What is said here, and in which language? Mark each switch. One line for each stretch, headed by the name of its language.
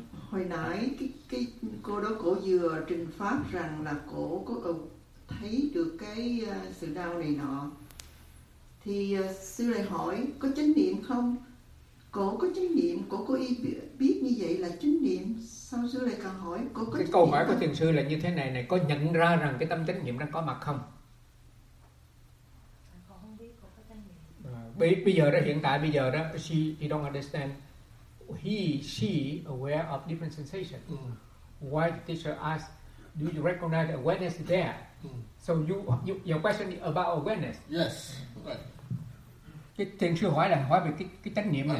Vietnamese: Hồi nãy cái cô đó cổ vừa trình pháp rằng là cổ có thấy được cái sự đau này nọ, thì sư lại hỏi có chánh niệm không, cổ có chánh niệm, cổ có ý biết như vậy là chánh niệm sao, sư lại càng hỏi cổ có cái câu hỏi của thiền sư là như thế này này, có nhận ra rằng cái tâm chánh niệm đang có mặt không, không biết, bây giờ đó, hiện tại bây giờ đó,
English: she don't understand. He, she aware of different sensation. Mm. Why the teacher asks, do you recognize awareness there? Mm. So you your question is about awareness. Yes. Right.
Vietnamese: Cái thiền sư hỏi là hỏi về cái chánh niệm này.